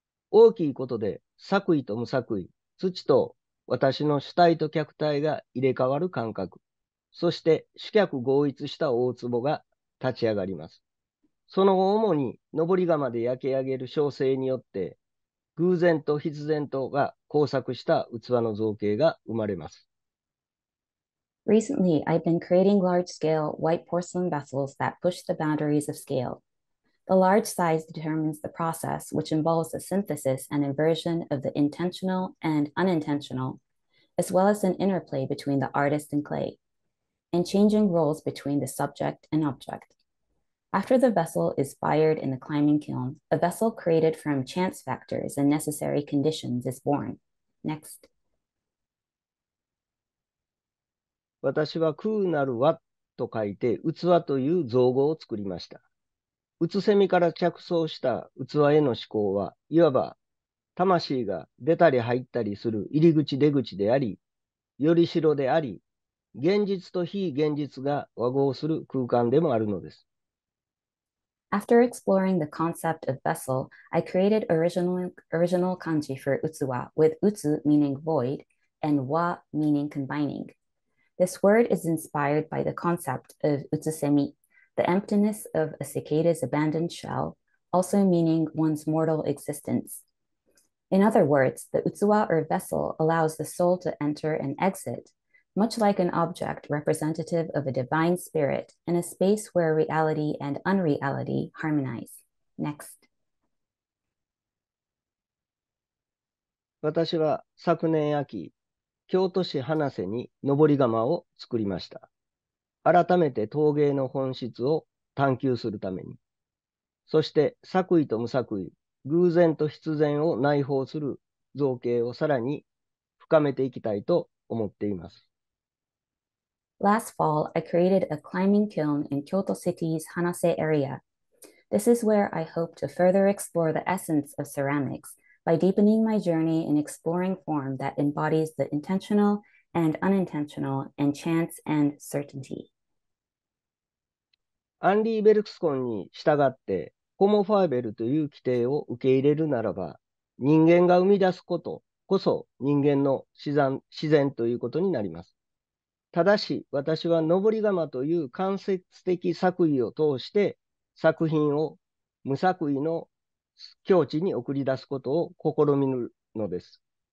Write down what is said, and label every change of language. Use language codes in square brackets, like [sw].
[ja] 大きいことで、作為と無作為、土と私の主体と客体が入れ替わる感覚、そして主客合一した大壺が立ち上がります。その後、主に登り窯で焼き上げる焼成によって、偶然と必然とが交錯した器の造形が生まれます。 [en] Recently, I've been creating large-scale white porcelain vessels that push the boundaries of scale. The large size determines the process, which involves the synthesis and inversion of the intentional and unintentional, as well as an interplay between the artist and clay, and changing roles between the subject and object. After the vessel is fired in the climbing kiln, a vessel created from chance factors and necessary conditions is born. Next. [ja] 私は空なる輪と書いて器という造語を作りました。うつせみから着想した器への思考は、いわば魂が出たり入ったりする入り口出口であり、よりしろであり、現実と非現実が和合する空間でもあるのです。 [en] After exploring the concept of vessel, I created original kanji for utsuwa, with utsu meaning void and wa meaning combining. This word is inspired by the concept of utsusemi, the emptiness of a cicada's abandoned shell, also meaning one's mortal existence. In other words, the utsuwa or vessel allows the soul to enter and exit, much like an object representative of a divine spirit in a space where reality and unreality harmonize. Next. [ja] 私は昨年秋、京都市花瀬に登り窯を作りました。改めて陶芸の本質を探求するために。そして作為と無作為、偶然と必然を内包する造形をさらに深めていきたいと思っています。 [en] Last fall, I created a climbing kiln in Kyoto City's Hanase area. This is where I hope to further explore the essence of ceramics by deepening my journey in exploring form that embodies the intentional and unintentional and chance and certainty. [ja] アンリー・ベルクスコンに従って、ホモ・ファーベルという規定を受け入れるならば、人間が生み出すことこそ人間の自然ということになります。ただし、私は登り窯という間接的作為を通して作品を無作為の境地に送り出すことを試みるのです。